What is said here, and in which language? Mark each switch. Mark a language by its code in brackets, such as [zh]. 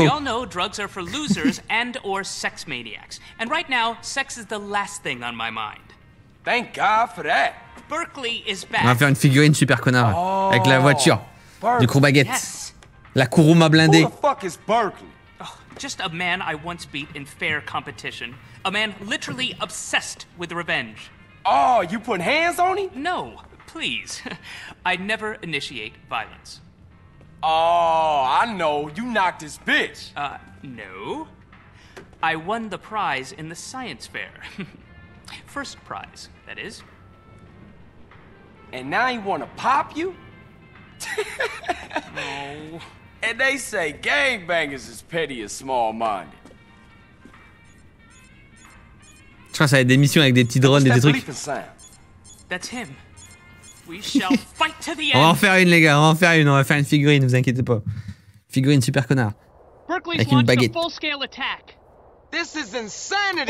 [en] We all know drugs are for losers and or sex maniacs. And right now, sex is the last thing on my mind. Thank God for that. Berkeley is back. [fr] On va faire une figurine super connard avec la voiture du Crew Baguette. [en] Yes. [fr] La Kuruma blindée. [en] Who the fuck is Berkeley? Oh, just a man I once beat in fair competition. A man literally obsessed with revenge. Oh, you put hands on him? No, please. I never initiate violence. Oh, I know. You knocked his bitch. No. I won the prize in the science fair. First prize, that is. And now he wanna pop you? No. And they say gangbangers is petty and small-minded. [fr] Je crois que ça va être des missions avec des petits drones et des trucs. [en] That's him. We shall fight to the end. [fr] On va en faire une, les gars. On va faire une figurine. Ne vous inquiétez pas. Figurine super connard. [en] Berkeley's [fr] avec une baguette. [en] Full-scale attack. This is insanity.